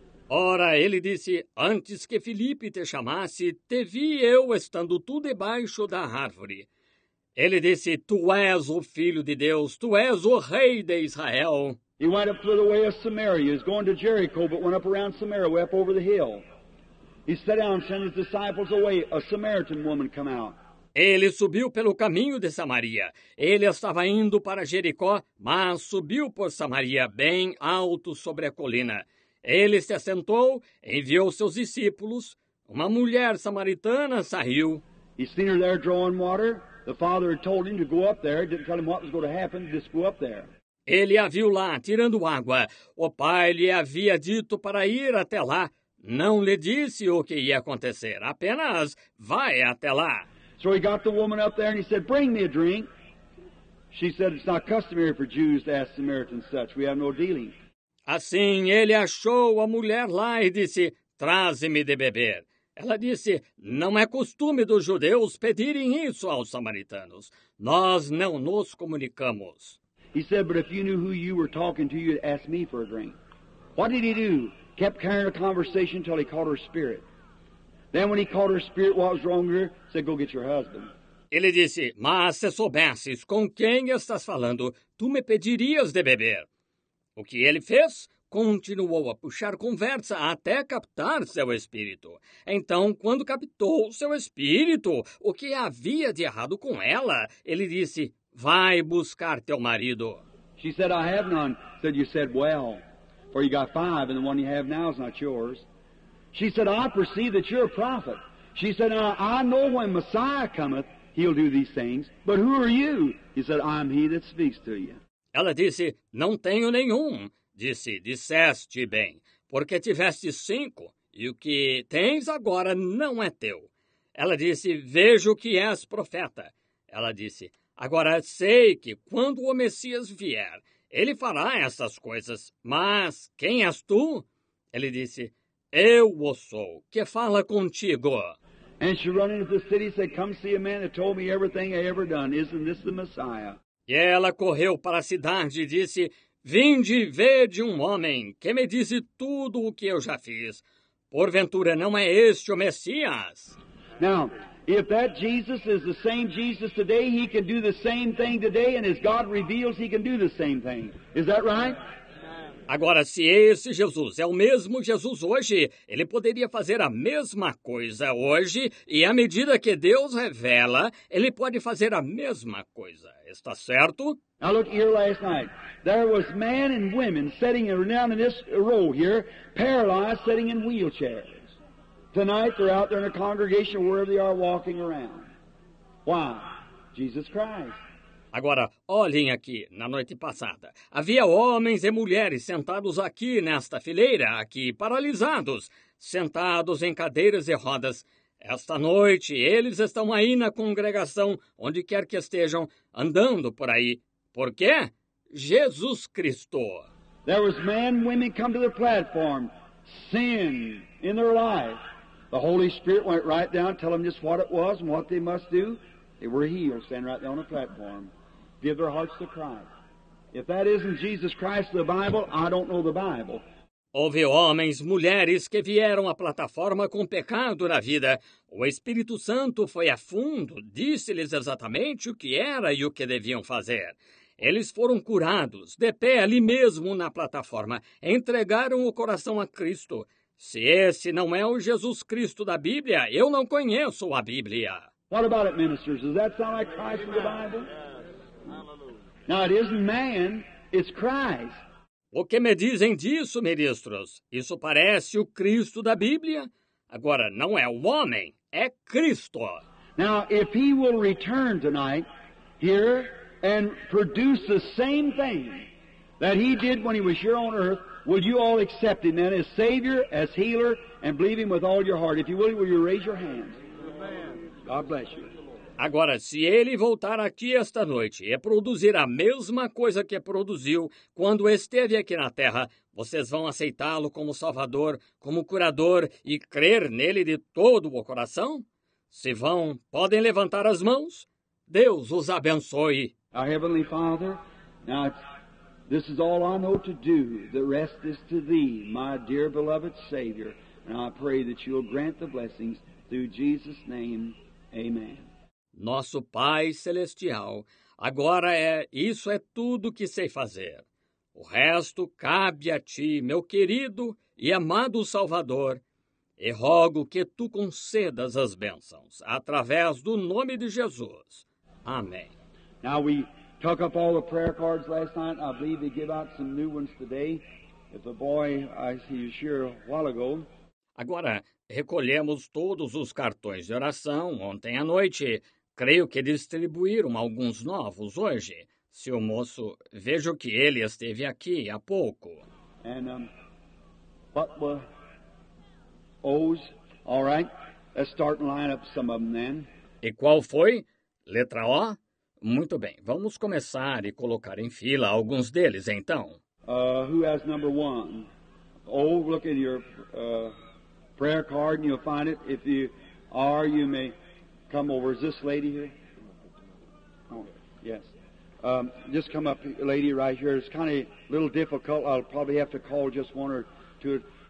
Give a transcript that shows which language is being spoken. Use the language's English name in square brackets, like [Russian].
[Portuguese] Ora, ele disse, antes que Filipe te chamasse, te vi eu estando tu debaixo da árvore. Ele disse, tu és o filho de Deus, tu és o rei de Israel. [English] He went up through the way of Samaria. He was going to Jericho, but went up around Samaria, way up over the hill. He sat down and sent his disciples away. A Samaritan woman came out. [Portuguese] Ele subiu pelo caminho de Samaria. Ele estava indo para Jericó, mas subiu por Samaria, bem alto sobre a colina. Ele se assentou, enviou seus discípulos. Uma mulher samaritana saiu. [English] He seen her there drawing water. The father had told him to go up there. Didn't tell him what was going to happen. Just go up there. [Portuguese] Ele a viu lá, tirando água. O pai lhe havia dito para ir até lá. Não lhe disse o que ia acontecer. Apenas, vai até lá. [English] So he got the woman up there and he said, bring me a drink. She said, it's not customary for Jews to ask Samaritans such. We have no dealing. [Portuguese] Assim, ele achou a mulher lá e disse, traze-me de beber. Ela disse, não é costume dos judeus pedirem isso aos samaritanos. Nós não nos comunicamos. [English] He said, but if you knew who you were talking to, you'd ask me for a drink. What did he do? Kept carrying a conversation until he caught her spirit. Then when he caught her spirit, what was wrong with her? Said, go get your husband. [Portuguese] Ele disse, mas se soubesses com quem estás falando, tu me pedirias de beber. O que ele fez? Continuou a puxar conversa até captar seu espírito. Então, quando captou seu espírito, o que havia de errado com ela, ele disse, vai buscar teu marido. [English] She said, I have none. Said, you said, well, for you got five, and the one you have now is not yours. She said, I perceive that you're a prophet. She said, now, I know when Messiah cometh, he'll do these things. But who are you? He said, I'm he that speaks to you. [Portuguese] Ela disse, não tenho nenhum. Disse, disseste bem, porque tiveste cinco, e o que tens agora não é teu. Ela disse, vejo que és profeta. Ela disse, agora sei que quando o Messias vier, ele fará essas coisas, mas quem és tu? Ele disse, eu o sou, que fala contigo. [English] And she ran into the city and said, come see a man that told me everything I ever done. Isn't this the Messiah? [Portuguese] E ela correu para a cidade e disse, vinde e vede um homem que me disse tudo o que eu já fiz. Porventura, não é este o Messias? [English] Now, if that Jesus is the same Jesus today, he can do the same thing today, and as God reveals, he can do the same thing. Is that right? [Portuguese] Agora, se esse Jesus é o mesmo Jesus hoje, ele poderia fazer a mesma coisa hoje, e à medida que Deus revela, ele pode fazer a mesma coisa. Está certo? [English] I looked here last night. There was men and women sitting down in this row here, paralyzed, sitting in wheelchairs. Tonight, they're out there in a congregation where they are walking around. Why? Jesus Christ. [Portuguese] Agora, olhem aqui, na noite passada. Havia homens e mulheres sentados aqui nesta fileira, aqui paralisados, sentados em cadeiras e rodas. Esta noite, eles estão aí na congregação, onde quer que estejam, andando por aí. Por quê? Jesus Cristo. [English] There was men and women come to the platform, sin in their life. The Holy Spirit went right down, tell them just what it was and what they must do. They were healed, standing right there on the platform. Give their hearts to Christ. If that isn't Jesus Christ, the Bible, I don't know the Bible. [Portuguese] Houve homens, mulheres que vieram à plataforma com pecado na vida. O Espírito Santo foi a fundo, disse-lhes exatamente o que era e o que deviam fazer. Eles foram curados, de pé ali mesmo na plataforma. Entregaram o coração a Cristo. Se esse não é o Jesus Cristo da Bíblia, eu não conheço a Bíblia. [English] What about it, ministers? Does that sound like Christ in the Bible? Yes. Now, it isn't man, it's Christ. [Portuguese] O que me dizem disso, ministros? Isso parece o Cristo da Bíblia? Agora, não é o homem, é Cristo. [English] Now, if he will return tonight, here, and produce the same thing that he did when he was here on earth, will you all accept him then as Savior, as healer, and believe him with all your heart? If you will you raise your hands? God bless you. [Portuguese] Agora, se ele voltar aqui esta noite e produzir a mesma coisa que produziu quando esteve aqui na terra, vocês vão aceitá-lo como Salvador, como Curador e crer nele de todo o coração? Se vão, podem levantar as mãos. Deus os abençoe. [English] Our Heavenly Father, now This is all I know to do. The rest is to Thee, my dear beloved Savior. And I pray that You'll grant the blessings through Jesus' name. Amen. [Portuguese] Nosso Pai Celestial, agora é isso é tudo que sei fazer. O resto cabe a Ti, meu querido e amado Salvador, e rogo que Tu concedas as bênçãos, através do nome de Jesus. Amém. [English] Now we took up all the prayer cards last night. I believe they give out some new ones today. If the boy, I see you sure a while ago. [Portuguese] Agora, recolhemos todos os cartões de oração ontem à noite. Creio que distribuíram alguns novos hoje. Se o moço, vejo que ele esteve aqui há pouco. [English] And, but we'll... O's. All right. Let's start and line up some of them then. [Portuguese] E qual foi? Letra O? Muito bem. Vamos começar e colocar em fila alguns deles, então. [English] Who has number one? Oh, look in your prayer card and you'll find it. If you are, you may come over. Is this lady here? Oh, yes. Just come up, lady, right here. It's kind of a little difficult. I'll probably have to call just one or two.